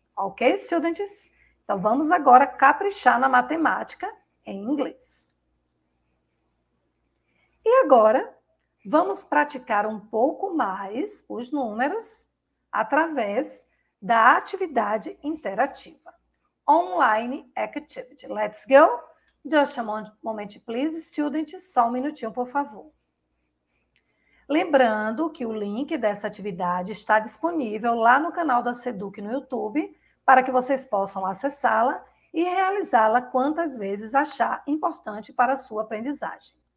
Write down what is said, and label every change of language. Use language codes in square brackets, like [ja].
[en] Ok, students? [pt] Então vamos agora caprichar na matemática em inglês. E agora vamos praticar um pouco mais os números através da atividade interativa. [en] Online activity. Let's go. Just a moment, please, students. [pt] Só um minutinho, por favor. Lembrando que o link dessa atividade está disponível lá no canal da Seduc no YouTube, para que vocês possam acessá-la e realizá-la quantas vezes achar importante para a sua aprendizagem.